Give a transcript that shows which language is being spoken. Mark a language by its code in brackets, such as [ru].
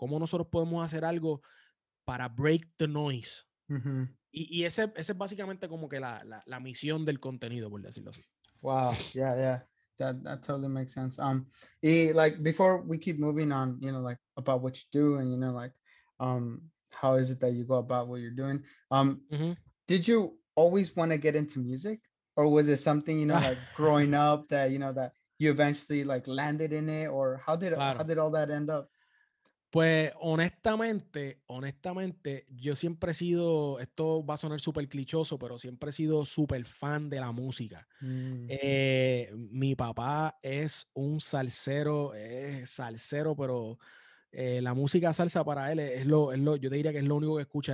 [es] ¿Cómo nosotros podemos hacer algo para [en] break the noise? [es] Y ese es básicamente como que la misión del contenido, por decirlo así. [en] Wow, yeah, that totally makes sense. Like before we keep moving on, you know, like about what you do and, you know, like how is it that you go about what you're doing? Did you always want to get into music, or was it something, you know, like growing up that, you know, that you eventually like landed in it, or how did all that end up? [es] Pues honestamente, yo siempre he sido, esto va a sonar súper clichoso, pero siempre he sido súper fan de la música. Mi papá es un salsero, pero la música salsa para él es lo, yo te diría que es lo único que escucha.